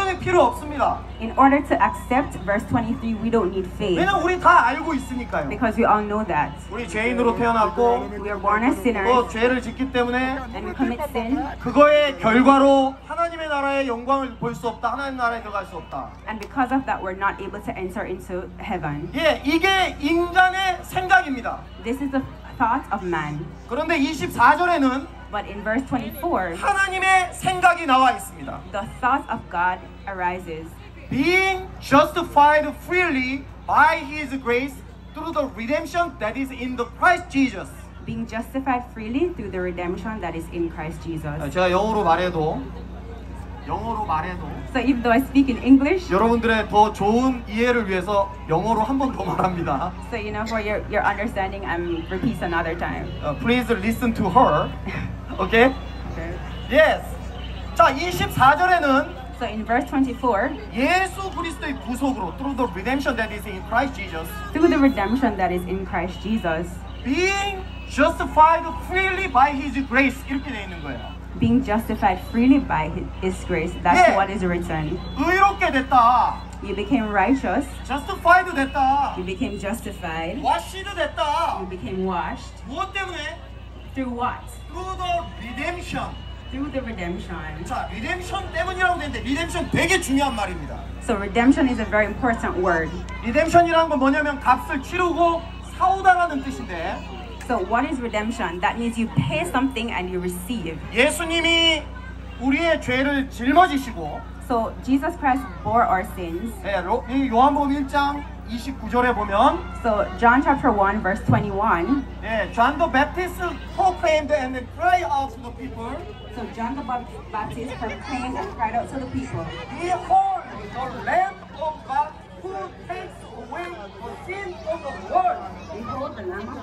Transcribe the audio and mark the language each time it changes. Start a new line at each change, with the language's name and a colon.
English: In order to accept verse 23, we don't need faith.
Korean: 왜냐, 우리 다 알고 있으니까요.
English: Because we all know that.
Korean: 우리 죄인으로 태어났고,
English: we are born as sinners.
Korean: 또 죄를 짓기 때문에,
English: and we commit sin.
Korean: 그거의 결과로 하나님의 나라의 영광을 볼 수 없다. 하나님 나라에 들어갈 수 없다.
English: And because of that, we're not able to enter into heaven.
Korean: 예, 이게 인간의 생각입니다.
English: This is the thought of man.
Korean: 그런데 24절에는
English: But in verse 24,
Korean: 하나님의 생각이 나와 있습니다.
English: The thought of God arises. Being justified freely by His grace through the redemption that is in the Christ Jesus. Being justified freely through the redemption that is in Christ Jesus.
Korean: 제가 영어로 말해도 영어로 말해도
English: So even though I speak in English
Korean: 여러분들의 더 좋은 이해를 위해서 영어로 한 번 더 말합니다
English: So you know for your understanding I'm repeat another time Please listen to her okay? okay
Korean: Yes 자 24절에는
English: So in verse 24
Korean: 예수 그리스도의 구속으로
English: Through the redemption that is in Christ Jesus Through the redemption that is in Christ Jesus Being justified freely by his grace
Korean: 이렇게 되어 있는 거예요
English: Being justified freely by His grace. That's
Korean: 예,
English: what is written.
Korean: 의롭게 됐다.
English: You became righteous.
Korean: Justified 됐다.
English: You became justified.
Korean: Washed 됐다.
English: You became washed.
Korean: 무엇 때문에?
English: Through what? Through the redemption. Through the redemption.
Korean: 자, redemption 때문이라고 되는데, redemption 되게 중요한 말입니다.
English: So redemption is a very important word.
Korean: Redemption이란 건 뭐냐면 값을 치르고 사오다라는 뜻인데.
English: So what is redemption? That means you pay something and you receive.
Korean: 예수님이 우리의 죄를 짊어지시고
English: So Jesus Christ bore our sins.
Korean: 예, 요한복음 1장 29절에 보면
English: So John chapter 1 verse 21 예, John the Baptist proclaimed and cried out to the people. So John the Baptist proclaimed and cried out to the people. Behold the Lamb of God who takes away the sin of the world.